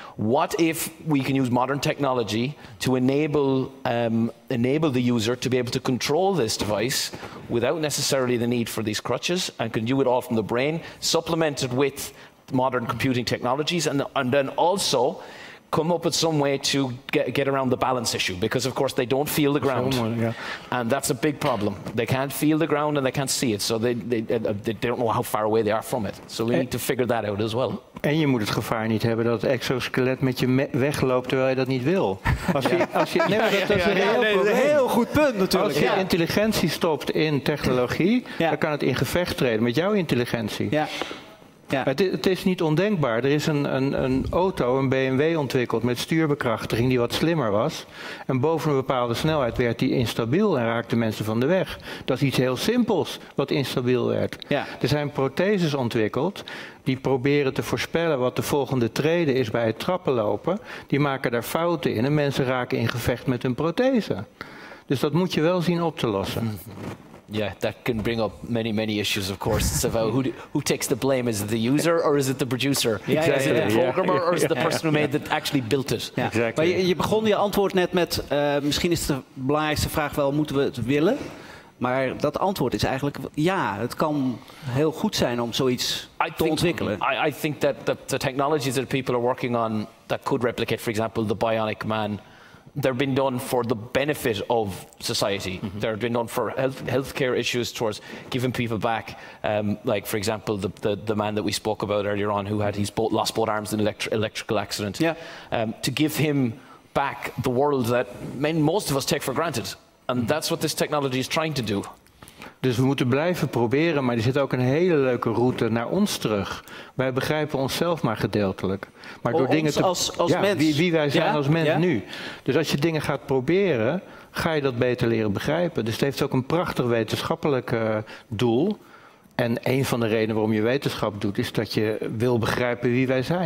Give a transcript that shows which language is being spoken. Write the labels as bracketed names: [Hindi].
[English] What if we can use modern technology to enable the user to be able to control this device without necessarily the need for these crutches and can do it all from the brain, supplemented with modern computing technologies, and then also come up with some way to get around the balance issue, because of course they don't feel the ground, and that's a big problem. They can't feel the ground and they can't see it, so they don't know how far away they are from it. So we need to figure that out as well. [Dutch] En je moet het gevaar niet hebben dat het exoskelet met je wegloopt terwijl je dat niet wil. Heel goed punt natuurlijk. Als je intelligentie stopt in technologie, dan kan het in gevecht treden met jouw intelligentie. Ja. Ja. Het is niet ondenkbaar. Er is een auto, een BMW ontwikkeld met stuurbekrachtiging die wat slimmer was. En boven een bepaalde snelheid werd die instabiel en raakte mensen van de weg. Dat is iets heel simpels wat instabiel werd. Ja. Er zijn protheses ontwikkeld die proberen te voorspellen wat de volgende trede is bij het trappenlopen. Die maken daar fouten in en mensen raken in gevecht met hun prothese. Dus dat moet je wel zien op te lossen. [English] Yeah, that can bring up many, many issues, of course. It's about who takes the blame. Is it the user or is it the producer? Exactly. Is it the programmer or is it the person who made that actually built it? Yeah. Exactly. [Dutch] Maar je begon je antwoord net met, misschien is de belangrijkste vraag wel, moeten we het willen? Maar dat antwoord is eigenlijk, ja, het kan heel goed zijn om zoiets te ontwikkelen. [English] I think that the technologies that people are working on that could replicate, for example, the Bionic Man, they've been done for the benefit of society. Mm-hmm. They've been done for healthcare issues towards giving people back. Like, for example, the man that we spoke about earlier on who had lost both arms in an electrical accident. Yeah. To give him back the world that most of us take for granted. And that's what this technology is trying to do. [Dutch] Dus we moeten blijven proberen, maar er zit ook een hele leuke route naar ons terug. Wij begrijpen onszelf maar gedeeltelijk. Maar door dingen als mens. Wie wij zijn als mens nu. Dus als je dingen gaat proberen, ga je dat beter leren begrijpen. Dus het heeft ook een prachtig wetenschappelijk doel. En een van de redenen waarom je wetenschap doet, is dat je wil begrijpen wie wij zijn.